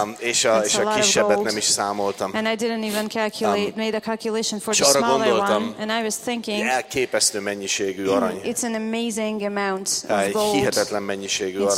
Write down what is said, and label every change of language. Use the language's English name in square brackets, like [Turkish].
[Hungarian] És a kisebbet nem is számoltam. [English] And I didn't even calculate, made a calculation for the smaller one. And I was thinking, [Hungarian] elképesztő mennyiségű arany. [English] It's an amazing amount of gold. [Hungarian] Hihetetlen mennyiségű arany.